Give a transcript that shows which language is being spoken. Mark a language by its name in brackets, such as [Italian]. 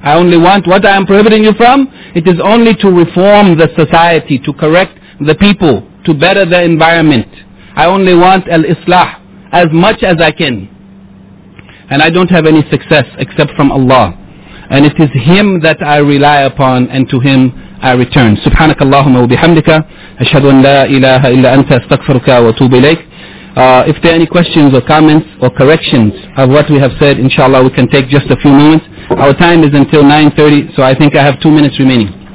[English] I only want what I am prohibiting you from. It is only to reform the society, to correct the people, to better the environment. I only want al-islah as much as I can. And I don't have any success except from Allah. And it is Him that I rely upon, and to Him I return. [Arabic] سبحانك اللهم وبحمدك أشهد أن لا إله إلا أنت أستغفرك وأتوب إليك. [English] If there are any questions or comments or corrections of what we have said, inshallah we can take just a few moments. Our time is until 9:30, so I think I have 2 minutes remaining.